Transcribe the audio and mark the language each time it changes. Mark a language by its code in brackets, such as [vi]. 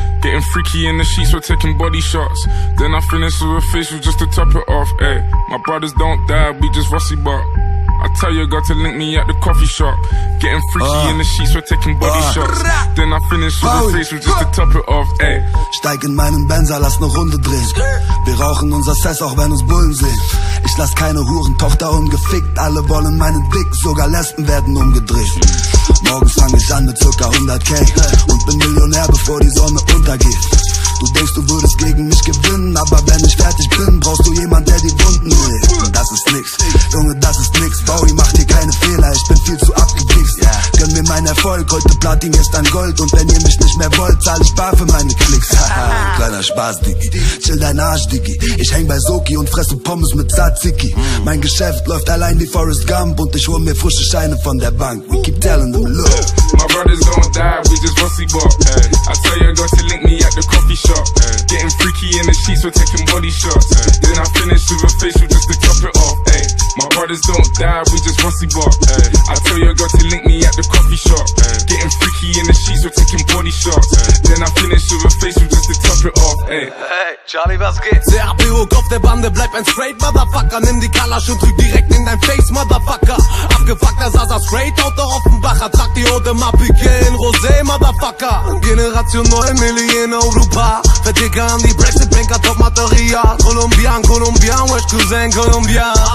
[en] Getting freaky in the sheets, we're taking body shots. Then I finish with a facial just to top it off, ayy. My brothers don't die, we just Vossi bop. I tell your girl to link me at the coffee shop. Getting freaky in the sheets, we're taking body shots. Then I finish with a facial just to top it off, ayy. [de] Steig in meinen Benzer, lass ne Runde drehen. Wir rauchen unser Sess, auch wenn uns Bullen sehen. Ich lass keine Hurentochter ungefickt. Alle wollen meinen Dick, sogar Lesben werden umgedreht. Morgens fang ich an mit ca. 100k und bin Millionär, bevor die Sonne untergeht. Du denkst, du würdest gegen mich gewinnen, aber wenn ich fertig bin, brauchst du jemand, der die Wunden hält. Das ist nix, Junge, das ist nix. Bowie, mach dir keine Fehler, ich bin viel zu abgewichst. Gönn mir meinen Erfolg, heute Platin, gestern Gold. Und wenn ihr mich nicht mehr wollt, zahl ich bar für meine Klicks. Kleiner Spaß, Diggi, chill dein Arsch, Diggi. Ich häng bei Soki und fresse Pommes mit Tzatziki. Mein Geschäft läuft allein wie Forrest Gump und ich hol mir frische Scheine von der Bank. [en] We keep telling them, look. My brothers don't die, we just Vossi bop. I tell your girl to link me at the coffee shop. Getting freaky in the sheets, we're taking body shots. Then I finish with a facial just to top it off. My brothers don't die, we just Vossi bop. I tell your girl to link me at the coffee shop. Getting freaky in the sheets, we're taking body shots. Then I finish with a facial just to top it off. [de] Hey, Charlie, was geht? Der Abwehrkopf der Bande, bleib ein [en] straight motherfucker. [de] Nimm die Kalasch und drück direkt in dein Face, [en] motherfucker. [de] Abgefuckter Sasa, [en] straight out [de] der Offenbacher. Trag die Ode Mappike in Rosé, [en] motherfucker. [de] Generation 9, Millionen Europa. Verticker an die Brexit-Banker, Top-Material. Kolumbian, Kolumbian, Wesh Cousin, Kolumbian.